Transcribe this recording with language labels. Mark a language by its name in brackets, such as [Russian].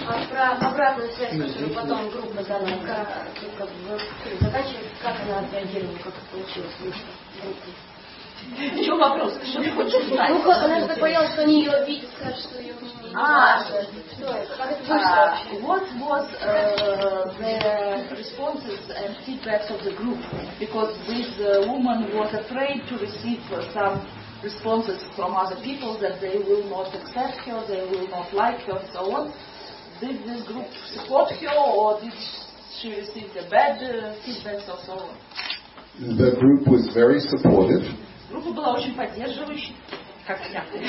[Russian] Про обратную связь, которую потом группа дала, как в задаче, как она отреагировала, как это получилось? В чем вопрос? Что ты хочешь узнать? Ну, она же так боялась, что они ее обидят, скажут, что ее не [English] What was the responses and feedbacks of the group? Because this woman was afraid to receive some responses from other people that they will not accept her, they will not like her, and so on. Did this group support her, or did she receive the bad feedbacks, or so on? The group was very supportive. [Russian] Группа была очень поддерживающей, как я.